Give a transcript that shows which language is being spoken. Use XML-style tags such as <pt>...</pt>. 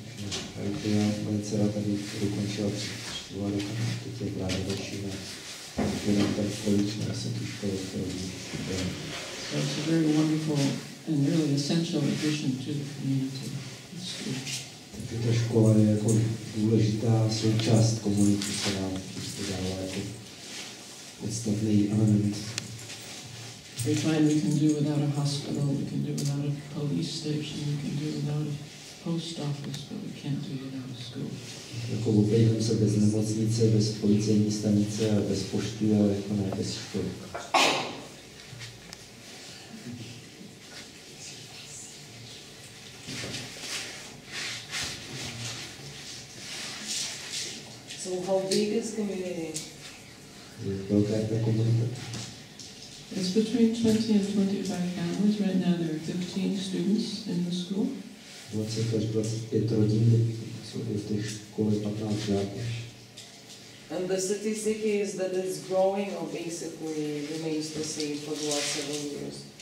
<en>So it's a very wonderful and really essential addition to the community.</en> <cs>Ta škola je jako důležitá součást komunity, která prostě dává jako podstatný element.</cs> <en>We find we can do without a hospital, we can do without a police station, we can do without a post office, but we can't do without a school.</en> <cs>Jako obejdeme se bez nemocnice, bez policejní stanice a bez pošty, ale jako ne bez školy.</cs> <en>So how big is community?</en> <cs>Velká je ta komunita.</cs> <en>It's between 20 and 25 families. Right now there are 15 students in the school.</en> <cs>20 až 25 rodin jsou v té škole 15 žáků.</cs> <en>And the statistic is that it's growing or basically remains the same for the last 7 years.</en>